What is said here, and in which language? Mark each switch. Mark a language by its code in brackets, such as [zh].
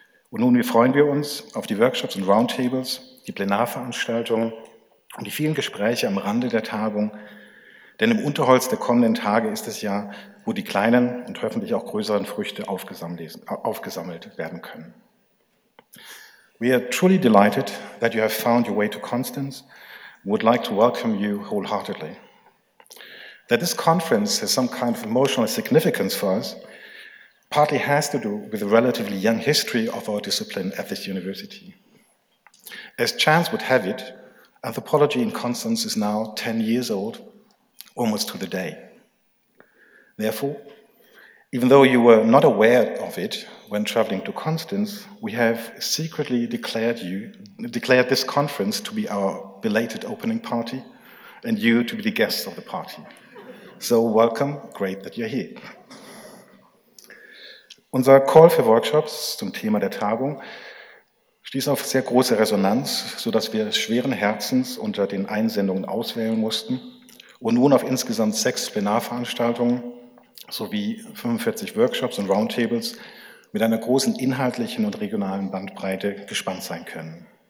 [de] Und nun freuen wir uns auf die Workshops und Roundtables, die Plenarveranstaltungen und die vielen Gespräche am Rande der Tagung, denn im Unterholz der kommenden Tage ist es ja, wo die kleinen und hoffentlich auch größeren Früchte aufgesammelt werden können. [en] We are truly delighted that you have found your way to Constance. We would like to welcome you wholeheartedly. That this conference has some kind of emotional significance for us partly has to do with the relatively young history of our discipline at this university. As chance would have it, anthropology in Constance is now 10 years old, almost to the day. Therefore, even though you were not aware of it when traveling to Constance, we have secretly declared this conference to be our belated opening party and you to be the guests of the party. So welcome, great that you're here. [de] Unser Call für Workshops zum Thema der Tagung stieß auf sehr große Resonanz, sodass wir schweren Herzens unter den Einsendungen auswählen mussten und nun auf insgesamt 6 Plenarveranstaltungen sowie 45 Workshops und Roundtables mit einer großen inhaltlichen und regionalen Bandbreite gespannt sein können.